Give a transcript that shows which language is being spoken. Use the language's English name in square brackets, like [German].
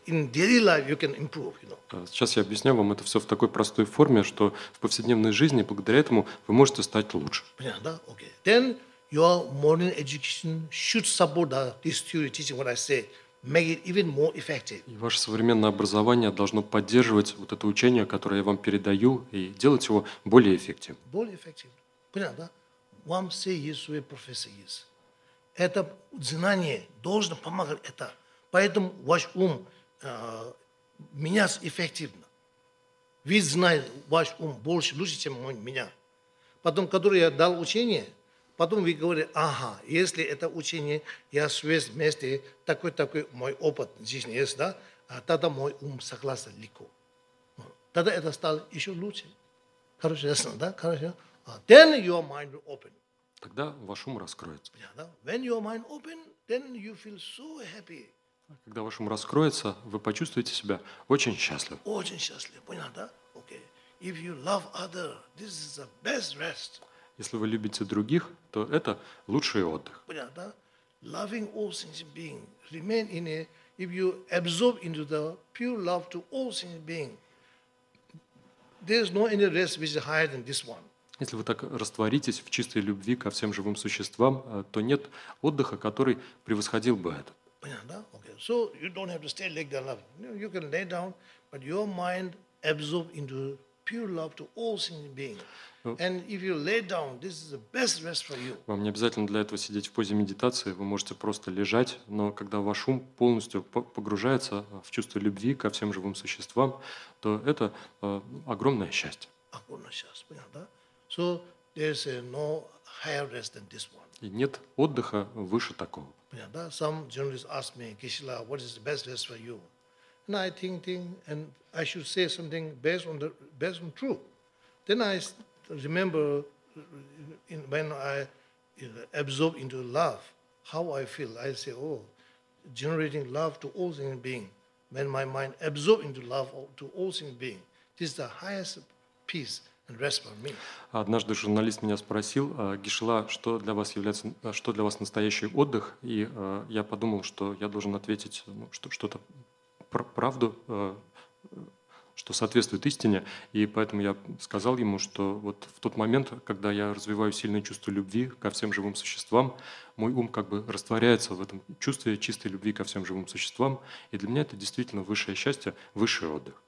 [English] In daily life you can improve, you know. [Russian] Сейчас я объясню вам это все в такой простой форме, что в повседневной жизни благодаря этому вы можете стать лучше. Понятно, да? [English] Okay. Then your modern education should support this theory teaching what I say, make it even more effective. [Russian] И ваше современное образование должно поддерживать вот это учение, которое я вам передаю, и делать его более эффективным. Более эффективным. Понятно, да? Вам все есть свои профессии. Это знание должно помогать это. Поэтому ваш ум меняется эффективно. Вы знаете, ваш ум больше, лучше, чем меня. Потом, который я дал учение, потом вы говорите, ага, если это учение, я связь вместе, такой мой опыт здесь есть, да, тогда мой ум согласен легко. Тогда это стало еще лучше. Хорошо, ясно, да? Хорошо. [English] Then your mind will open. [Russian] Тогда ваш ум раскроется. [English] When your mind open, then you feel so happy. [Russian] Когда ваш ум раскроется, вы почувствуете себя очень счастливым. Очень счастливым, понял, да? [English] Okay. If you love other, this is the best rest. [Russian] Если вы любите других, то это лучший отдых. Понял, да? [English] Loving all sentient beings, remain in it. If you absorb into the pure love to all sentient beings, there is no any rest which is higher than this one. [Russian] Если вы так растворитесь в чистой любви ко всем живым существам, то нет отдыха, который превосходил бы это. Понятно, да? [English] Okay. So you don't have to stay like that love. You can lay down, but your mind absorbs into pure love to all sentient beings. And if you lay down, this is the best rest for you. [Russian] Вам не обязательно для этого сидеть в позе медитации, вы можете просто лежать, но когда ваш ум полностью погружается в чувство любви ко всем живым существам, то это огромное счастье. Огромное счастье, понятно, да? [English] So there is no higher rest than this one. [Russian] И нет отдыха выше такого. Понятно, да? [English] Some journalists ask me, Кришна, what is the best rest for you? And I think, and I should say something based on truth. Then I remember when I absorb into love, how I feel. I say, oh, generating love to all sentient being. When my mind absorb into love to all sentient being, this is the highest peace. [Russian] Однажды журналист меня спросил, Гишла, что для вас настоящий отдых? И я подумал, что я должен ответить что-то правду, что соответствует истине, и поэтому я сказал ему, что вот в тот момент, когда я развиваю сильное чувство любви ко всем живым существам, мой ум как бы растворяется в этом чувстве чистой любви ко всем живым существам, и для меня это действительно высшее счастье, высший отдых.